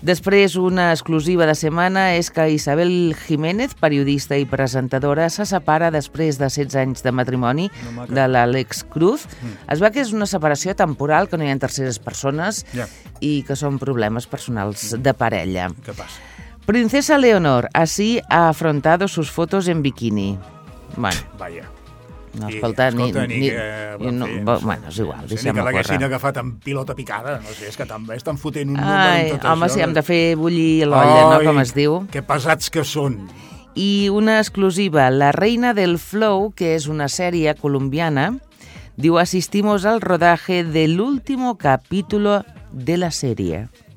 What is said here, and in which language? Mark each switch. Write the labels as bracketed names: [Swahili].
[Catalan] Després, una exclusiva de setmana és que Isabel Jiménez, periodista i presentadora, se separa després de 16 anys de matrimoni de l'Àlex Cruz. Es veu que és una separació temporal, que no hi ha terceres persones i que són problemes personals de parella. Què passa? [Spanish] Princesa Leonor, así ha afrontado sus fotos en bikini. Bueno. Vaya. [Catalan] No, escolta, és igual, deixem-me córrer. Ni que l'haguessin agafat amb pilota picada, no sé, és que també estan fotent un número en tot, home, això. Si hem de fer bullir l'olla, no, com es diu. Que pesats que són. I una exclusiva, La reina del flow, que és una sèrie colombiana, diu: assistimos al rodaje del último capítulo de la sèrie.